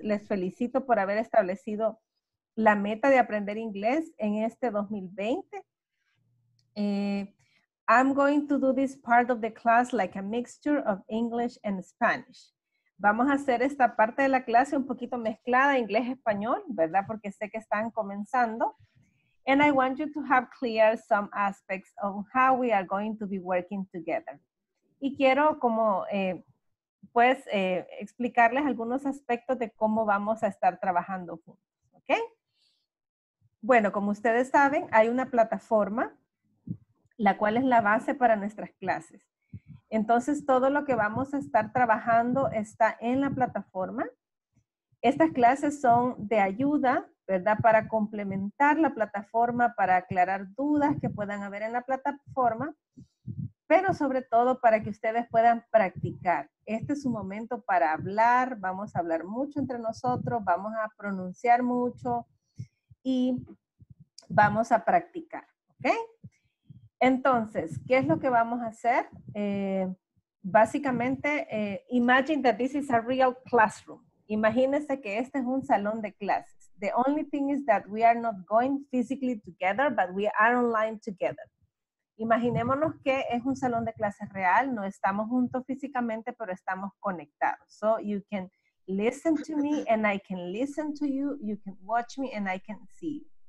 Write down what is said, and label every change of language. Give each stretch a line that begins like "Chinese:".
Spanish: Les felicito por haber establecido la meta de aprender inglés en este 2020.
English: I'm going to do this part of the class like a mixture of English and Spanish.
Spanish: Vamos a hacer esta parte de la clase un poquito mezclada, inglés-español, ¿verdad? Porque sé que están comenzando.
English: And I want you to have clear some aspects of how we are going to be working together.
Spanish: Y quiero como, explicarles algunos aspectos de cómo vamos a estar trabajando juntos, ¿ok? Bueno, como ustedes saben, hay una plataforma, la cual es la base para nuestras clases. Entonces, todo lo que vamos a estar trabajando está en la plataforma. Estas clases son de ayuda, ¿verdad? Para complementar la plataforma, para aclarar dudas que puedan haber en la plataforma, pero sobre todo para que ustedes puedan practicar. Este es un momento para hablar, vamos a hablar mucho entre nosotros, vamos a pronunciar mucho y vamos a practicar, ¿ok? Entonces, ¿qué es lo que vamos a hacer?
English: Básicamente, imagine that this is a real classroom.
Spanish: Imagínense que este es un salón de clases.
English: The only thing is that we are not going physically together, but we are online together.
Spanish: Imaginémonos que es un salón de clases real. No estamos juntos físicamente, pero estamos conectados.
English: So you can listen to me and I can listen to you. You can watch me and I can see you.